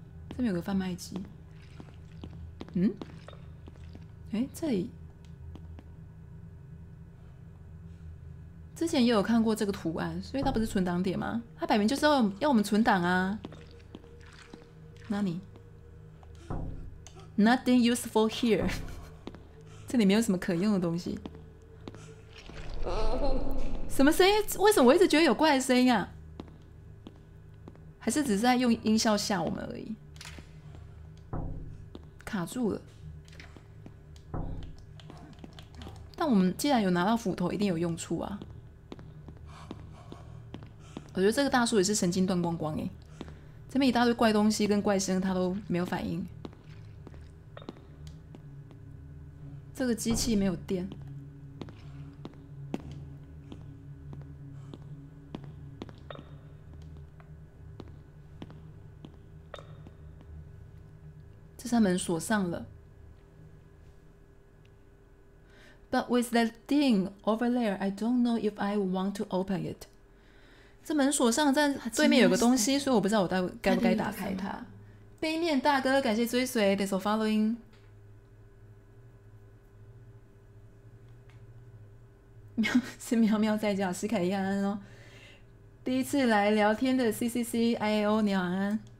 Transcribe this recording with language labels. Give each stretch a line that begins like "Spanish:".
Chinese: 这边有个贩卖机。这里之前也有看过这个图案，所以它不是存档点吗？它摆明就是要我们存档啊。那你
English: Nothing useful here.
Chinese: 这里没有什么可用的东西。什么声音？为什么我一直觉得有怪的声音啊？还是只是在用音效吓我们而已？卡住了。但我们既然有拿到斧头，一定有用处啊。我觉得这个大叔也是神经断光光哎。这边一大堆怪东西跟怪声，他都没有反应。这个机器没有电，这扇门锁上了。
English: But with that thing over there, I don't know if I want to open it.
Chinese: 这门锁上，在对面有个东西，所以我不知道我到底该不该打开它。背面大哥，感谢追随 ，
English: thanks for following。
Chinese: 是喵喵在叫，是凯伊安安哦。第一次来聊天的 CCC IAO， 你好安安。